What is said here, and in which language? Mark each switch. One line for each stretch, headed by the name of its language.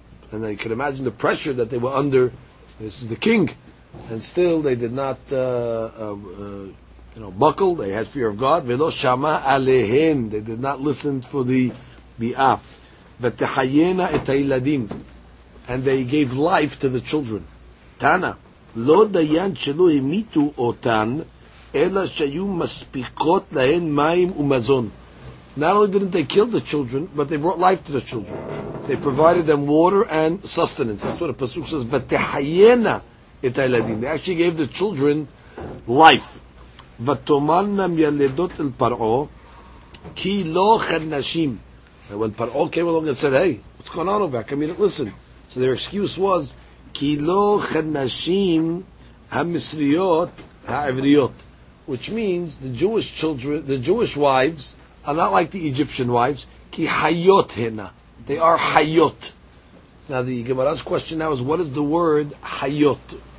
English: And you can imagine the pressure that they were under. This is the king, and still they did not buckle. They had fear of God.
Hebrew: Ve'lo shama alehin.
English: They did not listen for the bi'ah.
Hebrew: Ve'tehayena et ha'iladim,
English: and they gave life to the children.
Hebrew: Tana. לא דיין שלא המיתו אותן, אלא שהיו מספיקות להן מים ומזון.
English: Not only didn't they kill the children, but they brought life to the children. They provided them water and sustenance. That's what the pasuk says,
Hebrew: ותחיינה את הילדים.
English: They actually gave the children life.
Hebrew: ותאמרנה מילדות אל פרעה, כי לא חנשים.
English: And when פרעה came along and said, hey, what's going on over here? Come here, listen. So their excuse was, which means the Jewish children, the Jewish wives, are not like the Egyptian wives. They are hayot. Now the Gemara's question now is, what is the word hayot?